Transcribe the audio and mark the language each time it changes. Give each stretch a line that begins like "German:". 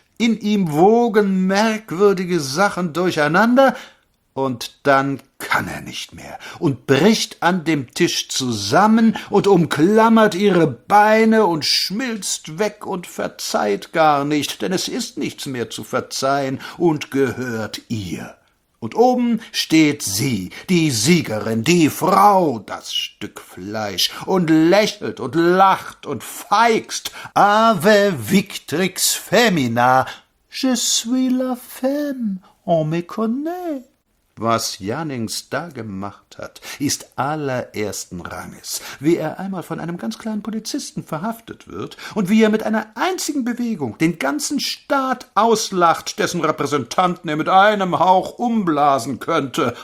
German: In ihm wogen merkwürdige Sachen durcheinander, und dann kann er nicht mehr und bricht an dem Tisch zusammen und umklammert ihre Beine und schmilzt weg und verzeiht gar nicht, denn es ist nichts mehr zu verzeihen und gehört ihr. Und oben steht sie, die Siegerin, die Frau, das Stück Fleisch, und lächelt und lacht und feixt.
Latin: Ave victrix femina,
French: je suis la femme, on me connaît.
German: Was Jannings da gemacht hat, ist allerersten Ranges. Wie er einmal von einem ganz kleinen Polizisten verhaftet wird und wie er mit einer einzigen Bewegung den ganzen Staat auslacht, dessen Repräsentanten er mit einem Hauch umblasen könnte.